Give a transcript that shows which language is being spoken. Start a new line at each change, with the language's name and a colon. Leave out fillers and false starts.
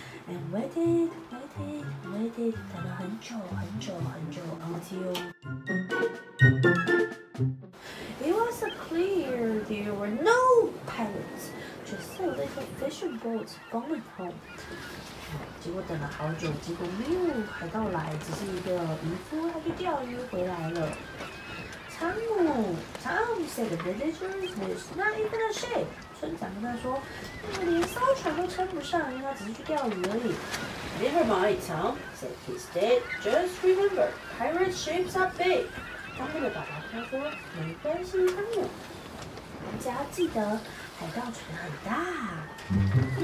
English: And waited, waited, waited，
Chinese: 等了很久很久很久
English: ，until it was clear there were no pirates， just a little fishing boat going home。
Chinese: 结果等了好久，结果没有海盗来，只是一个渔夫，他去钓鱼回来了。
English: Tom said the villagers was not even a ship.
Chinese: 村长跟他说，那个连艘船都称不上，因为他只是去钓鱼而已。
English: Never mind, Tom said his dad. Just remember, pirate ships are big.
Chinese: 汤姆的爸爸跟他说，没关系，汤姆，大家要记得海盗船很大。